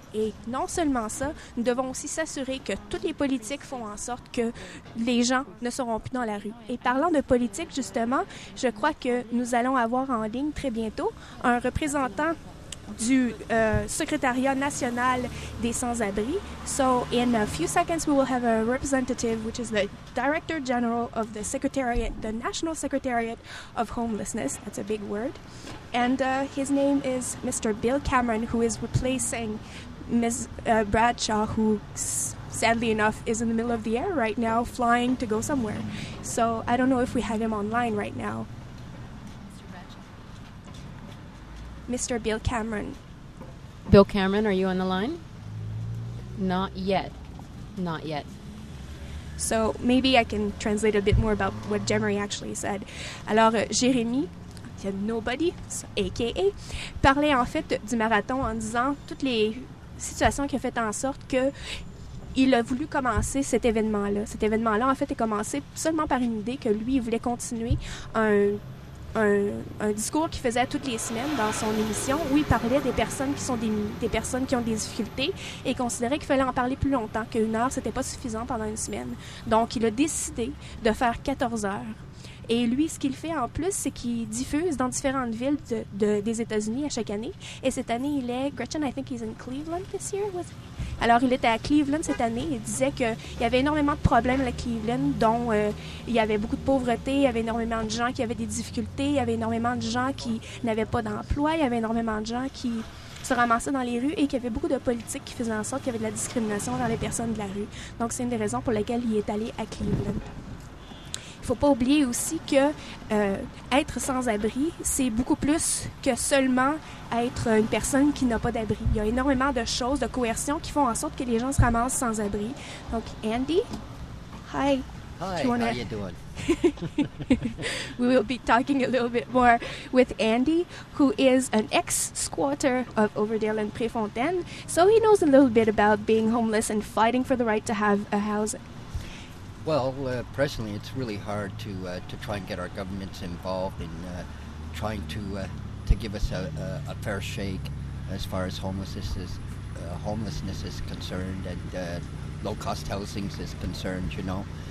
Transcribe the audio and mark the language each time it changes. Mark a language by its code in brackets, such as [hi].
[fr] Et non seulement ça, nous devons aussi s'assurer que toutes les politiques font en sorte que les gens ne seront plus dans la rue. Et parlant de politique, justement, je crois que nous allons avoir en ligne très bientôt un représentant du secrétariat national des sans-abri. [en] So, in a few seconds, we will have a representative, which is the Director General of the Secretariat, the National Secretariat of Homelessness. That's a big word. And his name is Mr. Bill Cameron, who is replacing Ms. Bradshaw, who sadly enough is in the middle of the air right now, flying to go somewhere. So I don't know if we have him online right now. Mr. Bill Cameron. Bill Cameron, are you on the line? Not yet. Not yet. So maybe I can translate a bit more about what Jeremy actually said. [fr] Alors, Jeremy, Nobody, a.k.a., parlait en fait du marathon en disant toutes les situation qui a fait en sorte qu'il a voulu commencer cet événement-là. Cet événement-là, en fait, est commencé seulement par une idée que lui, il voulait continuer un discours qu'il faisait toutes les semaines dans son émission où il parlait des personnes qui sont des personnes qui ont des difficultés et considérait qu'il fallait en parler plus longtemps, qu'une heure, c'était pas suffisant pendant une semaine. Donc, il a décidé de faire 14 heures. Et lui, ce qu'il fait en plus, c'est qu'il diffuse dans différentes villes des États-Unis à chaque année. Et cette année, il est... [en] Gretchen, I think he's in Cleveland this year, was he? [fr] Alors, il était à Cleveland cette année. Il disait qu'il y avait énormément de problèmes à Cleveland, dont il y avait beaucoup de pauvreté, il y avait énormément de gens qui avaient des difficultés, il y avait énormément de gens qui n'avaient pas d'emploi, il y avait énormément de gens qui se ramassaient dans les rues et qu'il y avait beaucoup de politiques qui faisaient en sorte qu'il y avait de la discrimination envers les personnes de la rue. Donc, c'est une des raisons pour lesquelles il est allé à Cleveland. Il ne faut pas oublier aussi que être sans-abri, c'est beaucoup plus que seulement être une personne qui n'a pas d'abri. Il y a énormément de choses, de coercions qui font en sorte que les gens se ramassent sans-abri. [en] Donc, Andy, hi. Hi, how are you doing? We will be talking a little bit more with Andy, who is an ex-squatter of Overdale and Préfontaine. So he knows a little bit about being homeless and fighting for the right to have a house. Well, presently, it's really hard to try and get our governments involved in trying to give us a fair shake as far as homelessness is concerned and low-cost housing is concerned, you know.